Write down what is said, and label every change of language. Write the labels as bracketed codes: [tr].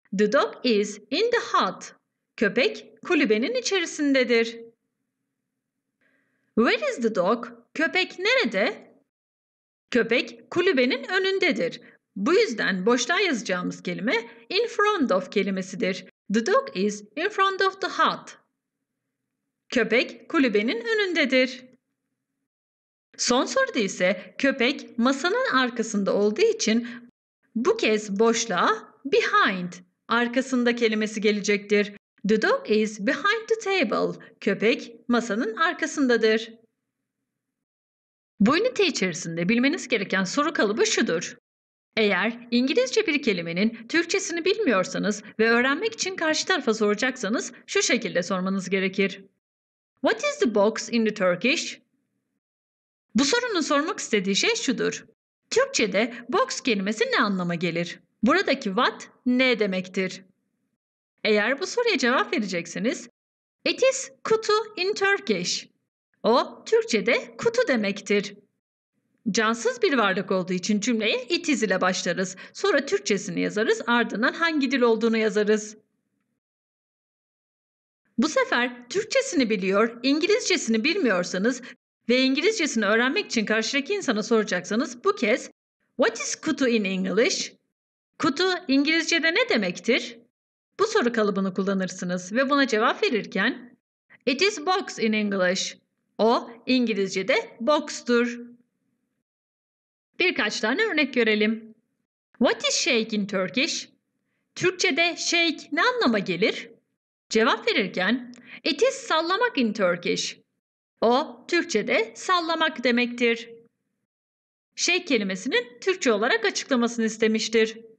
[en] The dog is in the hut. [tr] Köpek kulübenin içerisindedir. [en] Where is the dog? [tr] Köpek nerede? Köpek kulübenin önündedir. Bu yüzden boşluğa yazacağımız kelime in front of kelimesidir. [en] The dog is in front of the hut. [tr] Köpek kulübenin önündedir. Son soruda ise köpek masanın arkasında olduğu için bu kez boşluğa behind, arkasında kelimesi gelecektir. [en] The dog is behind the table. [tr] Köpek masanın arkasındadır. Bu ünite içerisinde bilmeniz gereken soru kalıbı şudur. Eğer İngilizce bir kelimenin Türkçesini bilmiyorsanız ve öğrenmek için karşı tarafa soracaksanız şu şekilde sormanız gerekir. [en] What is the box in the Turkish? [tr] Bu sorunun sormak istediği şey şudur. Türkçe'de box kelimesi ne anlama gelir? Buradaki what ne demektir? Eğer bu soruya cevap verecekseniz, [en] it is kutu in Turkish. [tr] O Türkçe'de kutu demektir. Cansız bir varlık olduğu için cümleye it is ile başlarız. Sonra Türkçesini yazarız, ardından hangi dil olduğunu yazarız. Bu sefer Türkçesini biliyor, İngilizcesini bilmiyorsanız ve İngilizcesini öğrenmek için karşıdaki insana soracaksanız bu kez [en] What is kutu in English? [tr] Kutu İngilizce'de ne demektir? Bu soru kalıbını kullanırsınız ve buna cevap verirken [en] It is box in English. [tr] O İngilizce'de box'tur. Birkaç tane örnek görelim. [en] What is shake in Turkish? [tr] Türkçe'de shake ne anlama gelir? Cevap verirken, [en] it is sallamak in Turkish. [tr] O, Türkçe'de sallamak demektir. Şey kelimesinin Türkçe olarak açıklamasını istemiştir.